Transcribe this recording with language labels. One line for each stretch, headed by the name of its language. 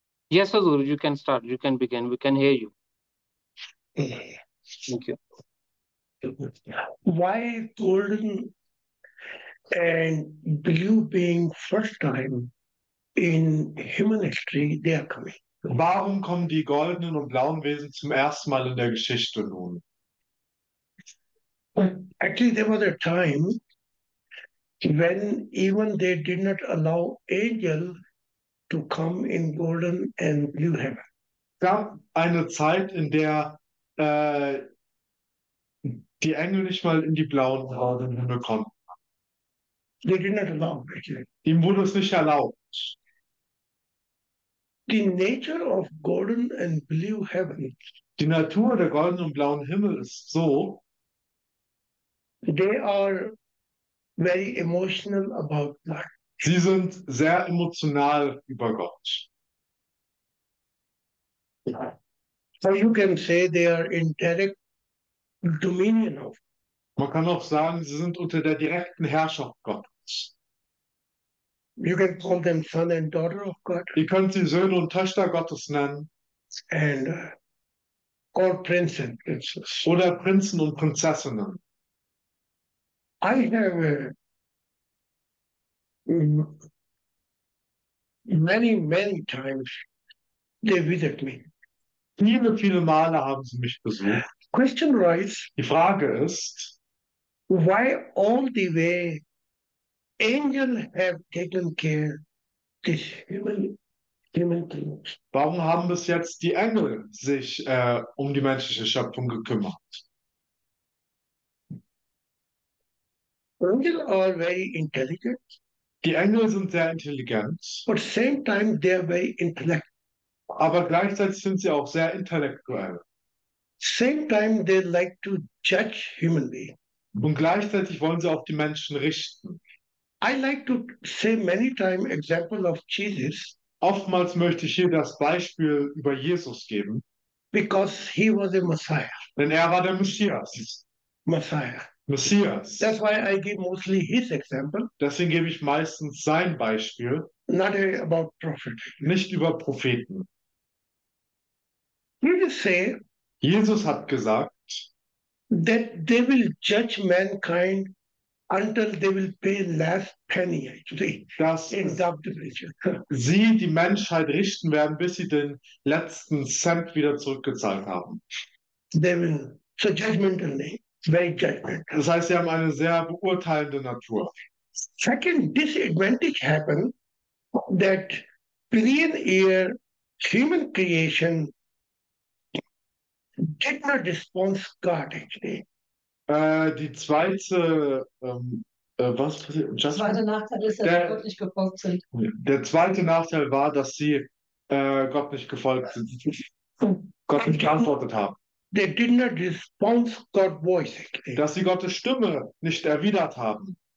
English: Yes, Azur, you can start. You can begin. We can hear you. Okay. Thank you. Why Golden and you being first time in human history, they are coming.
German: Warum kommen die goldenen und blauen Wesen zum ersten Mal in der Geschichte nun?
English: Actually, there was a time when even they did not allow angel to come in golden and blue heaven.
German: Es gab eine Zeit, in der die Engel nicht mal in die blauen Orden Himmel konnten.
English: They did not allow, actually.
German: Ihm wurde es nicht erlaubt.
English: The nature of golden and blue heaven.
German: Die Natur der goldenen und blauen Himmel ist so,
English: They are very emotional about life.
German: sie sind sehr emotional über Gott.
English: So you can say they are in direct dominion of.
German: Man kann auch sagen, sie sind unter der direkten Herrschaft Gottes.
English: You can call them son and daughter of God.
German: Ihr könnt sie Söhne und Töchter Gottes nennen
English: And all prince and princess.
German: oder Prinzen und Prinzessinnen.
English: I have many, many times they visit me.
German: Viele, viele Male haben sie mich besucht.
English: Question rise,
German: Die Frage ist,
English: why all the way angels have taken care this human things?
German: warum haben bis jetzt die Engel sich um die menschliche Schöpfung gekümmert?
English: Angels are very intelligent,
German: Die Engel sind sehr intelligent,
English: but same time they are very intellectual.
German: aber gleichzeitig sind sie auch sehr intellektuell.
English: Same time they like to judge human being.
German: Und gleichzeitig wollen sie auch die Menschen richten.
English: I like to say many time example of Jesus
German: Oftmals möchte ich hier das Beispiel über Jesus geben,
English: because he was a Messiah.
German: denn er war der Messias.
English: Messiah. That's
German: Messias.
English: why I give mostly his example,
German: Deswegen gebe ich meistens sein Beispiel,
English: not about prophet.
German: nicht über Propheten.
English: You say
German: Jesus hat gesagt,
English: that they will judge mankind until they will pay last penny actually
German: dass
English: in double vision.
German: sie die Menschheit richten werden, bis sie den letzten Cent wieder zurückgezahlt haben.
English: They will, so judgmental, very judgmental.
German: Das heißt, sie haben eine sehr beurteilende Natur.
English: Second disadvantage happened that billion-year human creation did not respond God actually.
German: Die zweite, was passiert? Der zweite Nachteil ist, dass sie Gott nicht gefolgt sind. Der zweite Nachteil war, dass sie Gott nicht gefolgt sind, Gott nicht geantwortet haben.
English: They did not respond God voice actually.
German: Dass sie Gottes Stimme nicht erwidert haben.